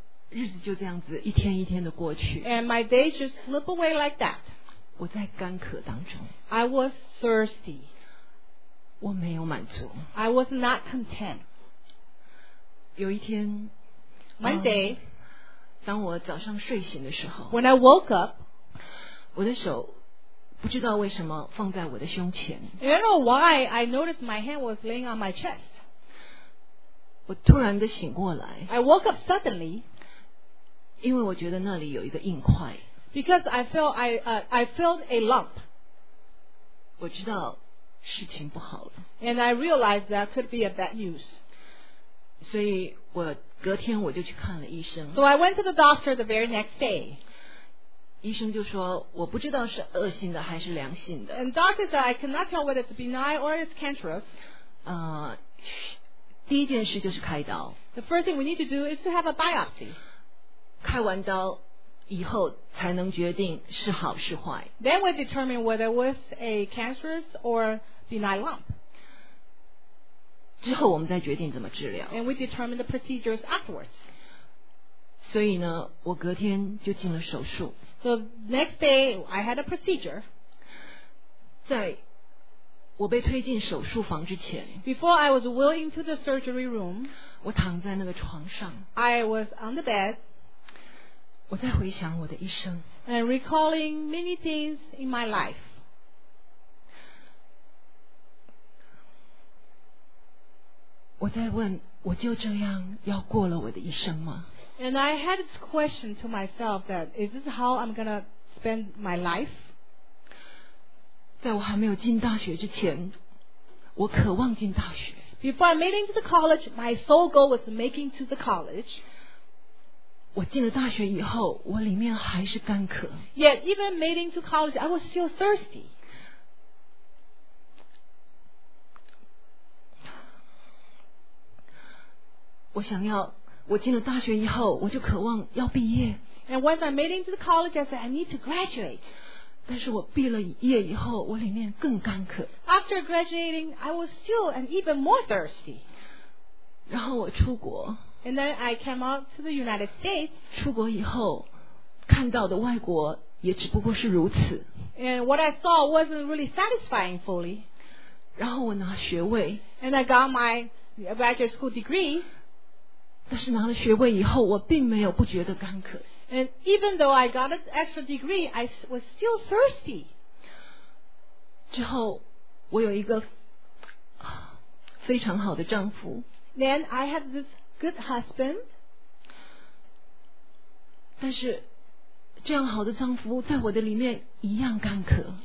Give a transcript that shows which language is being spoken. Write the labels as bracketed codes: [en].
[zh] 日子就这样子一天一天的过去。 [en] And my days just slip away like that. [zh] 我在干渴当中。 [en] I was thirsty. [zh] 我没有满足。 [en] I was not content. [zh] 有一天 [en] ，Monday， [zh] 当我早上睡醒的时候 [en] ，When I woke up， [zh] 我的手不知道为什么放在我的胸前。 [en] I don't know why I noticed my hand was laying on my chest. [zh] 我突然的醒过来。 [en] I woke up suddenly. [zh] 因为我觉得那里有一个硬块。 [en] Because I felt I felt a lump. [zh] 我知道事情不好了。 [en] And I realized that could be a bad news. [zh] 所以我隔天我就去看了医生。 [en] So I went to the doctor the very next day. [zh] 医生就说我不知道是恶性的还是良性的。 [en] And doctor said I cannot tell whether it's benign or it's cancerous. [zh] 第一件事就是开刀。 [en] The first thing we need to do is to have a biopsy. [zh] 开完刀以后才能决定是好是坏。 [en] Then we determine whether it was a cancerous or benign lump. [zh] 之后我们再决定怎么治疗。 [en] And we determine the procedures afterwards. [zh] 所以呢，我隔天就进了手术。 [en] So next day I had a procedure. [zh] 在我被推进手术房之前 [en] ，Before I was wheeled into the surgery room， [zh] 我躺在那个床上 [en] ，I was on the bed. [zh] 我在回想我的一生 [en] and recalling many things in my life. [zh] 我在问，我就这样要过了我的一生吗？ [en] And I had this question to myself that is this how I'm gonna spend my life? [zh] 在我还没有进大学之前，我渴望进大学。 [en] Before I made it to the college, my sole goal was making to the college. [zh] 我进了大学以后，我里面还是干渴。 [en] Yet even made into college, I was still thirsty. [zh] 我想要，我进了大学以后，我就渴望要毕业。 [en] And once I made into the college, I said I need to graduate. [zh] 但是我毕了业以后，我里面更干渴。 [en] After graduating, I was still and even more thirsty. [zh] 然后我出国。 [en] And then I came out to the United States. [zh] 出国以后，看到的外国也只不过是如此。 [en] And what I saw wasn't really satisfying fully. [zh] 然后我拿学位。 [en] And I got my graduate school degree. [zh] 但是拿了学位以后，我并没有不觉得干渴。 [en] And even though I got an extra degree, I was still thirsty. [zh] 之后，我有一个非常好的丈夫。 [en] Then I had this. Good husband. [zh] 但是这样好的丈夫在我的里面一样干渴。